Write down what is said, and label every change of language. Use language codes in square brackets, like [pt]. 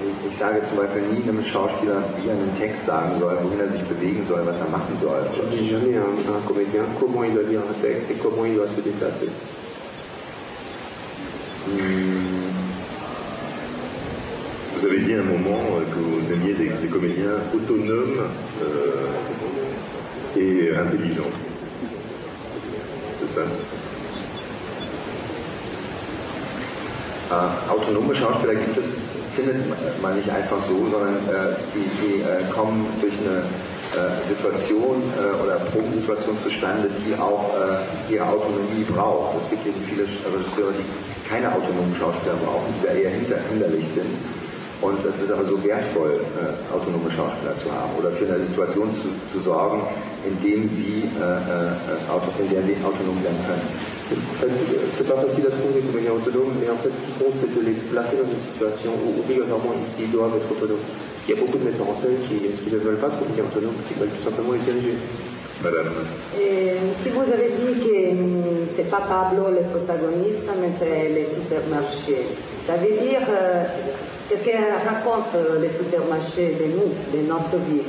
[de] Ich sage zum Beispiel nie einem Schauspieler, wie er einen Text sagen soll, wohin er sich bewegen soll, was er machen soll. [fr] Je ne dis jamais à un comédien comment il doit lire un texte et comment il doit se déplacer. Vous avez dit à un moment que vous aimiez des comédiens autonomes et intelligents. C'est ça. [de] Autonome Schauspieler gibt es, findet man nicht einfach so, sondern sie kommen durch eine Situation oder Probensituation zustande, die auch ihre Autonomie braucht. Es gibt eben viele Regisseure, die keine autonomen Schauspieler brauchen, die da eher hinderlich sind. Und es ist aber so wertvoll, autonome Schauspieler zu haben oder für eine Situation zu sorgen, in der sie autonom werden können. [fr] C'est pas facile à trouver des comédiens autonomes, mais en fait, ce qui compte, c'est de les placer dans une situation où obligatoirement ils doivent être autonomes. Parce qu'il y a beaucoup de metteurs en scène qui ne veulent pas trop être autonomes, qui veulent tout simplement les diriger. Madame. Et si vous avez dit que c'est pas Pablo le protagoniste, mais c'est le supermarché, ça veut dire qu'est-ce que raconte le supermarché de nous, de notre vie?